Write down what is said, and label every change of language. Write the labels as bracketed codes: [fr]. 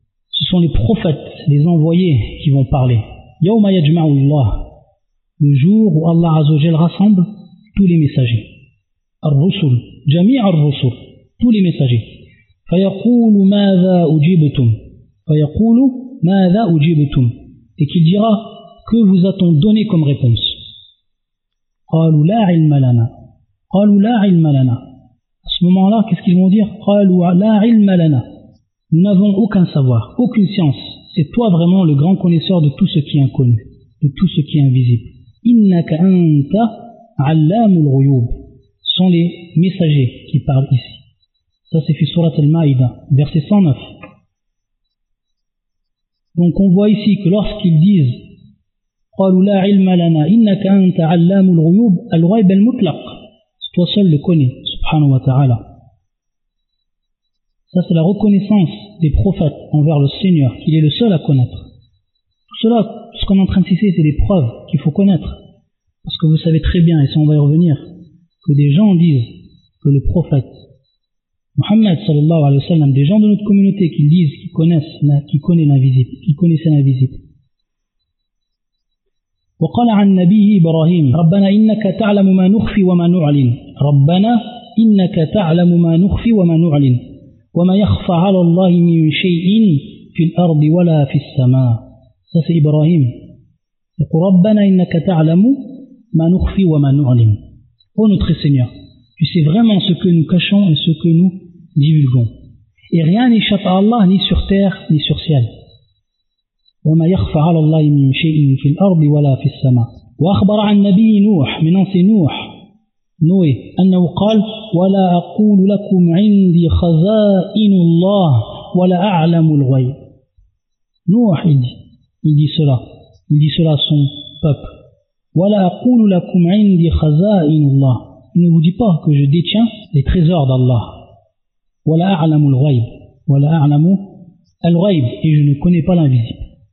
[fr] Ce sont les prophètes, les envoyés qui vont parler. [ar] يَوْمَ يَجْمَعُ اللَّهُ, [fr] le jour où Allah Azzawajal rassemble tous les messagers. [ar] الرُّسُلُ, جَمِيعَ الرُّسُلُ, tous les messagers. فَيَقُولُ مَاذَا أُجِبْتُمْ [fr] فَيَقُولُ مَاذَا أُجِبْتُمْ, et qu'il dira, que vous a-t-on donné comme réponse. [ar] قَالُوا لَا عِلْمَ لَنَا, قَالُوا لَا عِلْمَ لَنَا, [fr] à ce moment-là, qu'est-ce qu'ils vont dire? قَالُوا لَا عِلْمَ لَنَا, nous n'avons aucun savoir, aucune science, c'est toi vraiment le grand connaisseur de tout ce qui est inconnu, de tout ce qui est invisible. [ar] إِنَّكَ أَنْتَ عَلَّامُ الْغُيُوبِ, [fr] sont les messagers qui parlent ici. Ça c'est fait surat al-Ma'ida, verset 109. Donc on voit ici que lorsqu'ils disent [ar] قَالُوا لَا عِلْمَ لَنَا إِنَّكَ أَنْتَ عَلَّامُ الْغُيُوبِ الْغَيْبَ الْمُطْلَقِ, [fr] c'est toi seul le connais, subhanahu wa ta'ala. Ça c'est la reconnaissance des prophètes envers le Seigneur, qu'il est le seul à connaître. Tout cela, tout ce qu'on est en train de citer, c'est des preuves qu'il faut connaître. Parce que vous savez très bien, et ça on va y revenir, que des gens disent que le prophète Muhammad sallallahu alayhi wa sallam, des gens de notre communauté qui disent qu'ils connaissent, qu'ils connaissent l'invisible, qu'ils connaissaient l'invisible. [ar] وقال عن نبيه إبراهيم ربنا إنك تعلم ما نخفي وما نعلن ربنا إنك تعلم ما نخفي وما نعلن وما يخفى على الله من شيء في الأرض ولا في السماء. سس إبراهيم يقول ربنا إنك تعلم ما نخفي وما نعلن. [fr] Ô notre Seigneur, tu sais vraiment ce que nous cachons et ce que nous divulguons, et rien n'échappe à Allah ni sur terre ni sur ciel. [ar] وما يخفى على الله من شيء في الأرض ولا في السماء. وأخبر عن نبي نوح من أنس نوح نوي أنه قال ولا أقول لكم عندي خزائن الله ولا أعلم الغيب. [fr] نوح il dit cela à son peuple. [ar] ولا أقول لكم عندي خزائن الله, [fr] il ne vous dit pas que je détiens les trésors d'Allah. [ar] ولا أعلم الغيب, ولا أعلم الغيب, [fr] et je ne connais pas l'invisible.